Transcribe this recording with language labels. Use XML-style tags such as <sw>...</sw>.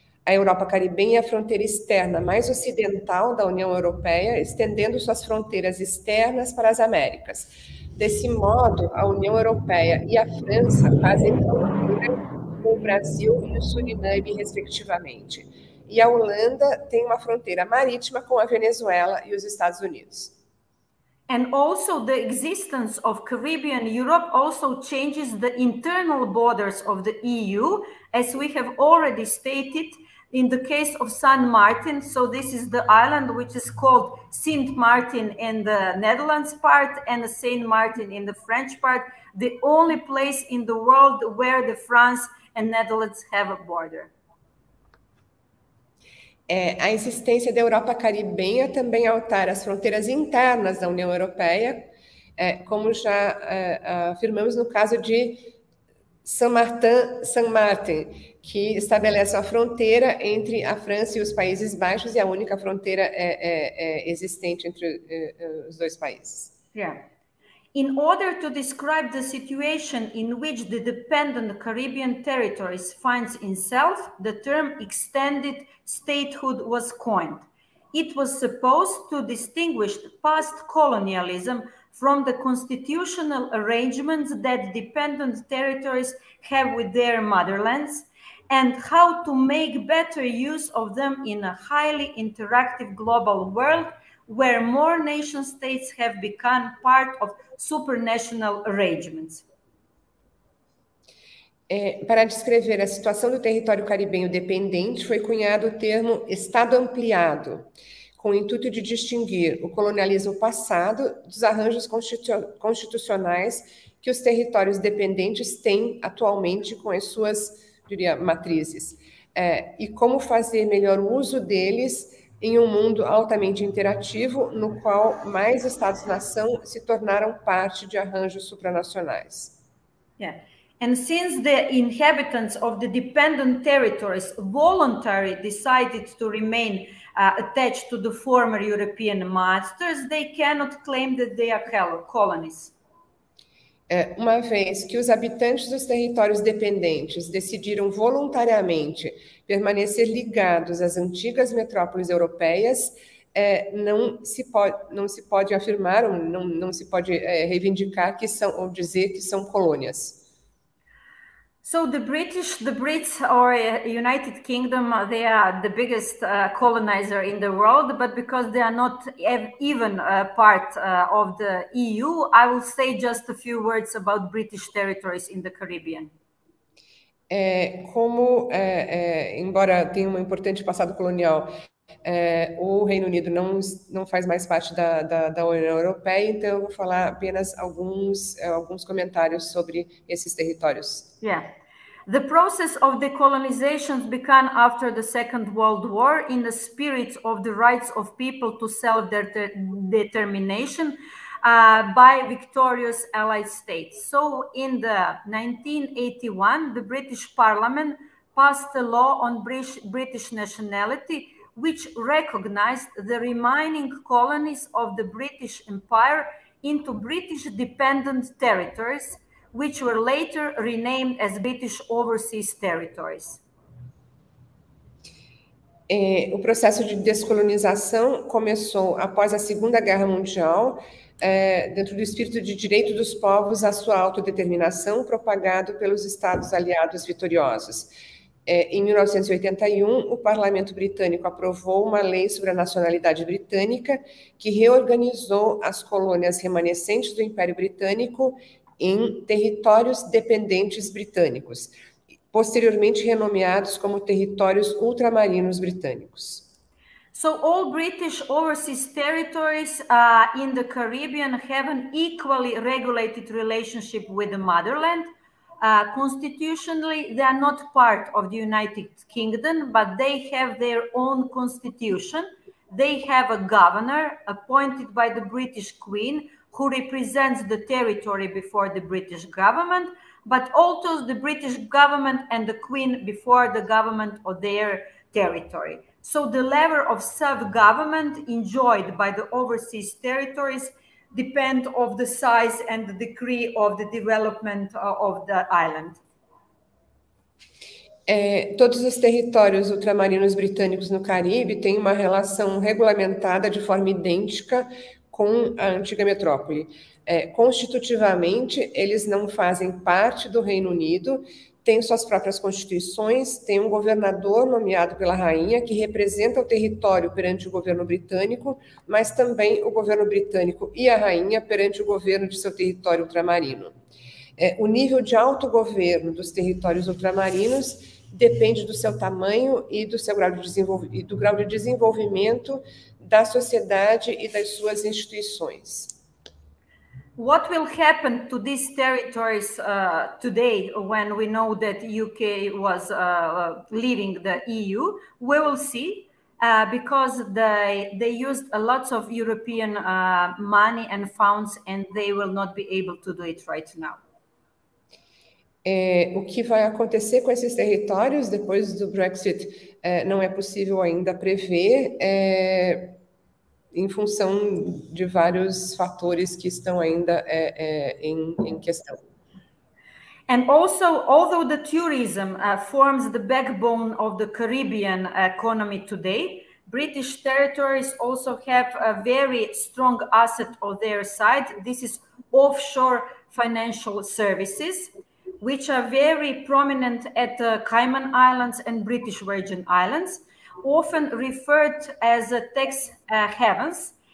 <pt>A Europa caribenha é a fronteira externa mais ocidental da União Europeia, estendendo suas fronteiras externas para as Américas. Desse modo, a União Europeia e a França fazem fronteira com o Brasil e o Suriname, respectivamente. E a Holanda tem uma fronteira marítima com a Venezuela e os Estados Unidos.</pt> <en>And also the existence of Caribbean Europe also changes the internal borders of the EU, as we have already stated in the case of Saint Martin. So this is the island which is called Saint Martin in the Netherlands part and Saint Martin in the French part, the only place in the world where the France and Netherlands have a border.</en> <pt>A existência da Europa caribenha também altera as fronteiras internas da União Europeia, como já afirmamos no caso de Saint-Martin, que estabelece a fronteira entre a França e os Países Baixos, e a única fronteira existente entre os dois países.</pt> <en>In order to describe the situation in which the dependent Caribbean territories finds itself, the term extended statehood was coined. It was supposed to distinguish past colonialism from the constitutional arrangements that dependent territories have with their motherlands and how to make better use of them in a highly interactive global world, where more nation states have become part of supranational arrangements.</en> <pt>Para descrever a situação do território caribenho dependente, foi cunhado o termo Estado ampliado, com o intuito de distinguir o colonialismo passado dos arranjos constitucionais que os territórios dependentes têm atualmente com as suas, diria, matrizes, e como fazer melhor uso deles em um mundo altamente interativo, no qual mais estados-nação se tornaram parte de arranjos supranacionais.</pt> <en>And since the inhabitants of the dependent territories voluntarily decided to remain attached to the former European masters, they cannot claim that they are colonies.</en> <pt>Uma vez que os habitantes dos territórios dependentes decidiram voluntariamente permanecer ligados às antigas metrópoles europeias, não se pode afirmar, não se pode reivindicar que são ou dizer que são colônias.</pt> <en>So the Brits or United Kingdom, they are the biggest colonizer in the world, but because they are not even part of the EU, I will say just a few words about British territories in the Caribbean.</en> <pt>Embora tenha um importante passado colonial, o Reino Unido não faz mais parte da União Europeia, então eu vou falar apenas alguns comentários sobre esses territórios.</pt> <en>The process of decolonization began after the Second World War in the spirit of the rights of people to self-determination by victorious Allied states. So, in the 1981, the British Parliament passed a law on British nationality, which recognized the remaining colonies of the British Empire into British dependent territories, which were later renamed as British Overseas Territories.</en> <pt>O processo de descolonização começou após a Segunda Guerra Mundial, dentro do espírito de direito dos povos à sua autodeterminação, propagado pelos Estados aliados vitoriosos. Em 1981, o Parlamento Britânico aprovou uma lei sobre a nacionalidade britânica que reorganizou as colônias remanescentes do Império Britânico em territórios dependentes britânicos, posteriormente renomeados como territórios ultramarinos britânicos.</pt> <en>So all British overseas territories in the Caribbean have an equally regulated relationship with the motherland. Constitutionally, they are not part of the United Kingdom, but they have their own constitution. They have a governor appointed by the British Queen who represents the territory before the British government, but also the British government and the Queen before the government of their territory. So the level of self-government enjoyed by the overseas territories depend of the size and the degree of the development of the island.</en> <pt>Todos os territórios ultramarinos britânicos no Caribe têm uma relação regulamentada de forma idêntica com a antiga metrópole. Constitutivamente, eles não fazem parte do Reino Unido, têm suas próprias constituições, têm um governador nomeado pela rainha que representa o território perante o governo britânico, mas também o governo britânico e a rainha perante o governo de seu território ultramarino. O nível de autogoverno dos territórios ultramarinos depende do seu tamanho e do seu grau de desenvolvimento, do grau de desenvolvimento da sociedade e das suas instituições.</pt> <en>What will happen to these territories today when we know that UK was leaving the EU? We will see, because they used a lot of European money and funds, and they will not be able to do it right now.</en> <pt>O que vai acontecer com esses territórios depois do Brexit não é possível ainda prever. Em função de vários fatores que estão ainda em questão.</pt> <en>And also, although the tourism forms the backbone of the Caribbean economy today, British territories also have a very strong asset on their side. This is offshore financial services, which are very prominent at the Cayman Islands and British Virgin Islands, often referred as a tax havens.</en>